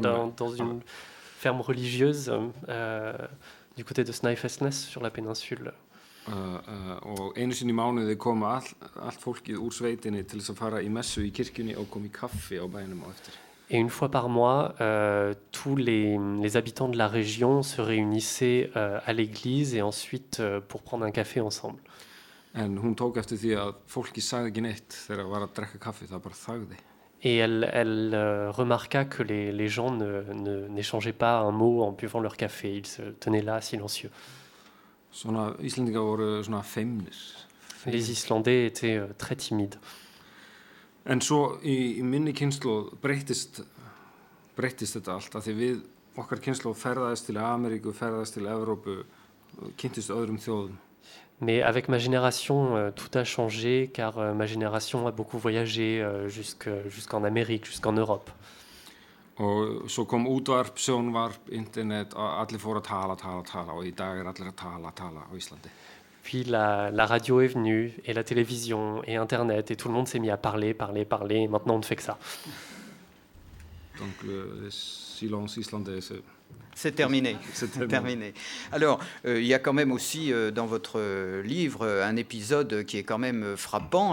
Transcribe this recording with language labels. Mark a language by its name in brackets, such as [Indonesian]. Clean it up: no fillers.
[French] dans une ferme religieuse du côté de Snæfellsnes sur la péninsule. [Icelandic] Og einu sinni í mánuði kom allt fólkið úr sveitinni til að fara í messu í kirkjunni og kom í kaffi á bænum á eftir. [French] Et une fois par mois, tous les habitants de la région se réunissaient à l'église et ensuite pour prendre un café ensemble. [Icelandic] En hún tók eftir því að fólki sagði ekki neitt þegar var að drekka kaffi, það bara þagði. [French] Et elle remarqua que les gens ne n'échangeaient pas un mot en buvant leur café, ils se tenaient là silencieux. [Icelandic] Svona Íslendingar voru svona feimnir. [French] Les Islandais étaient très timides. [Icelandic] En svo í minni kynslu breyttist þetta allt af því við okkar kynslu ferðaðist til Ameríku, ferðaðist til Evrópu, kynntist öðrum þjóðum. [French] Mais avec ma génération, tout a changé, car ma génération a beaucoup voyagé jusqu'en Amérique, jusqu'en Europe. [Icelandic] Og svo kom útvarp, sjónvarp, internet, allir fóru að tala, tala, tala og í dag allir að tala, tala á Íslandi. [French] Puis la radio est venue, et la télévision, et internet, et tout le monde s'est mis à parler, parler, parler, et maintenant on ne fait que ça. Donc le silence islandais, c'est... C'est terminé. C'est terminé. Alors, il y a quand même aussi dans votre livre un épisode qui est quand même frappant.